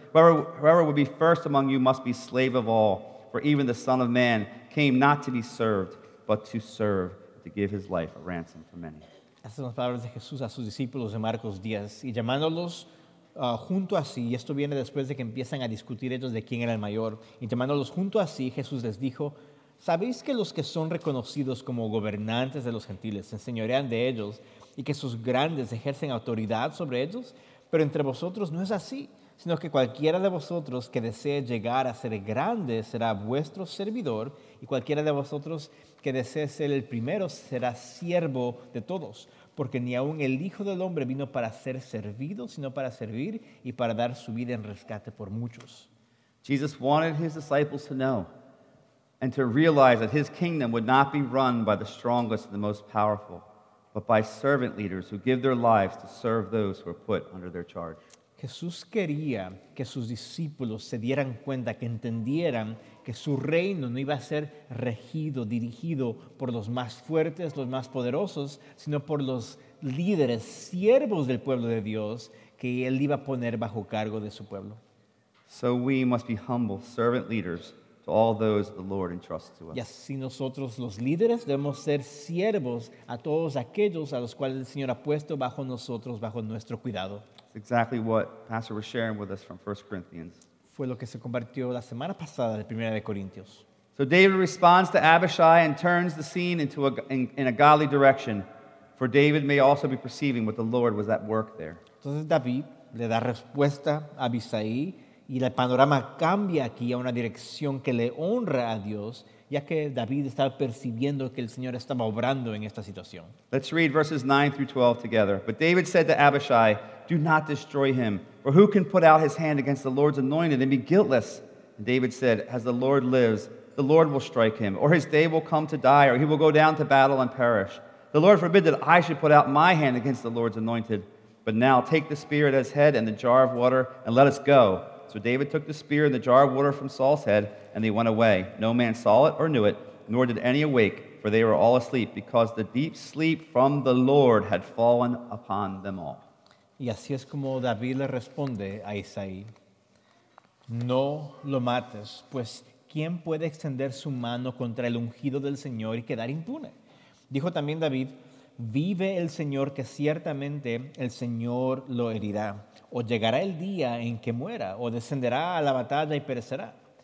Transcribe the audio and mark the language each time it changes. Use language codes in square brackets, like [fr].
[en] Whoever would be first among you must be slave of all. For even the Son of Man came not to be served, but to serve, to give his life a ransom for many." [es] Estas son las palabras de Jesús a sus discípulos en Marcos 10. Y llamándolos junto a sí, y esto viene después de que empiezan a discutir ellos de quién era el mayor. Y llamándolos junto a sí, Jesús les dijo, ¿sabéis que los que son reconocidos como gobernantes de los gentiles se enseñorean de ellos y que sus grandes ejercen autoridad sobre ellos? Pero entre vosotros no es así, sino que cualquiera de vosotros que desee llegar a ser grande será vuestro servidor y cualquiera de vosotros que desee ser el primero será siervo de todos. Porque ni aun el Hijo del Hombre vino para ser servido, sino para servir y para dar su vida en rescate por muchos. [en] Jesus wanted his disciples to know and to realize that his kingdom would not be run by the strongest and the most powerful, but by servant leaders who give their lives to serve those who are put under their charge. [es] Jesús quería que sus discípulos se dieran cuenta, que entendieran que su reino no iba a ser regido, dirigido por los más fuertes, los más poderosos, sino por los líderes, siervos del pueblo de Dios, que él iba a poner bajo cargo de su pueblo. [en] So we must be humble servant leaders to all those the Lord entrusts to us. [es] Y así nosotros los líderes debemos ser siervos a todos aquellos a los cuales el Señor ha puesto bajo nosotros, bajo nuestro cuidado. [en] It's exactly what Pastor was sharing with us from 1 Corinthians. [es] Fue lo que se compartió la semana pasada de 1 Corintios. [en] So David responds to Abishai and turns the scene into a godly direction, for David may also be perceiving what the Lord was at work there. [es] Entonces David le da respuesta a Abishai y el panorama cambia aquí a una dirección que le honra a Dios, ya que David estaba percibiendo que el Señor estaba obrando en esta situación. [en] Let's read verses 9 through 12 together. But David said to Abishai, "Do not destroy him, for who can put out his hand against the Lord's anointed and be guiltless?" And David said, "As the Lord lives, the Lord will strike him, or his day will come to die, or he will go down to battle and perish. The Lord forbid that I should put out my hand against the Lord's anointed. But now take the spear at his head and the jar of water, and let us go." So David took the spear and the jar of water from Saul's head, and they went away. No man saw it or knew it, nor did any awake, for they were all asleep, because the deep sleep from the Lord had fallen upon them all. [es] Y así es como David le responde a Isaí. No lo mates, pues ¿quién puede extender su mano contra el ungido del Señor y quedar impune? Dijo también David, vive el Señor que ciertamente el Señor lo herirá, o llegará el día en que muera, o descenderá a la batalla y perecerá.